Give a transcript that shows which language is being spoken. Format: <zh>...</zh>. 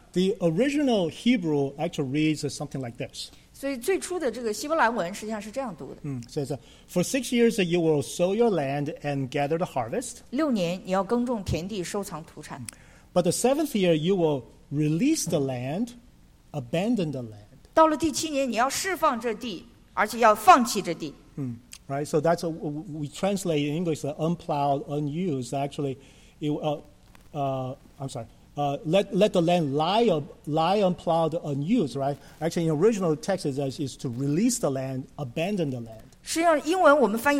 <en>the original Hebrew actually reads something like this.</en> <zh>所以最初的这个希伯来文实际上是这样读的。</zh> <en>Says, for 6 years you will sow your land and gather the harvest.</en> <zh>6年你要耕种田地，收藏土产。</zh> <en>But the seventh year you will release the land, abandon the land.</en> <zh>到了第七年你要释放这地，而且要放弃这地。</zh> <en>Right, so that's we translate in English, unplowed, unused. Actually, let the land lie unplowed, unused. Right, actually, in the original text, it says is to release the land, abandon the land.</en>